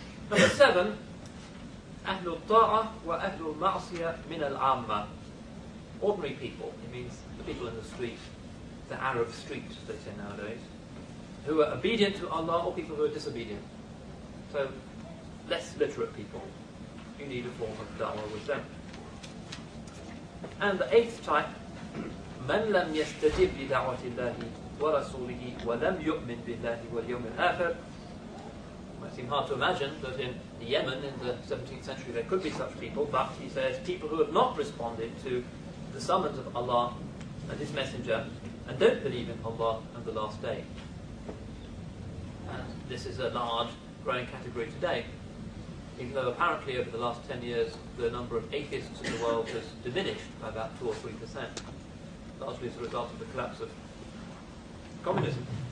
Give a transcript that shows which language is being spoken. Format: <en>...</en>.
<en>Number seven,</en> <ar>أهل الطاعة وأهل المعصية من العامة,</ar> <en>ordinary people, it means the people in the street, the Arab street, they say nowadays, who are obedient to Allah, or people who are disobedient. So, less literate people, you need a form of dawah with them. And the eighth type,</en> <ar>من لم يستجب لدعوة الله ورسوله ولم يؤمن بالله واليوم الآخر.</ar> <en>Might seem hard to imagine that in Yemen in the 17th century there could be such people, but he says people who have not responded to the summons of Allah and his messenger and don't believe in Allah and the last day. And this is a large growing category today, even though apparently over the last 10 years the number of atheists in the world has diminished by about 2 or 3%, largely as a result of the collapse of communism.</en>